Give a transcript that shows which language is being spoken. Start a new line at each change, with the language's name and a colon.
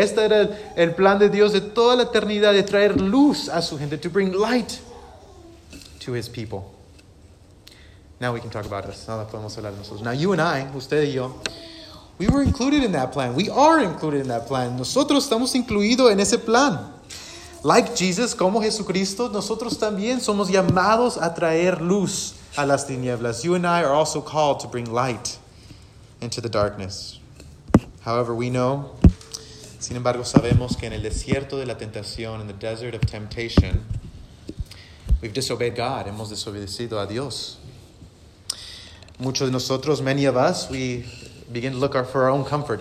Spanish: Este era el plan de Dios de toda la eternidad, de traer luz a su gente,
English: to bring light to his people. Now we can talk about us.
Spanish: Ahora podemos hablar de nosotros.
English: Now you and I,
Spanish: usted y yo,
English: we were included in that plan. We are included in that plan.
Spanish: Nosotros estamos incluidos en ese plan.
English: Like Jesus,
Spanish: como Jesucristo, nosotros también somos llamados a traer luz a las tinieblas.
English: You and I are also called to bring light into the darkness. However, we know,
Spanish: sin embargo, sabemos que en el desierto de la tentación,
English: in the desert of temptation, we've disobeyed God.
Spanish: Hemos desobedecido a Dios. Muchos de nosotros,
English: many of us, we begin to look for our own comfort.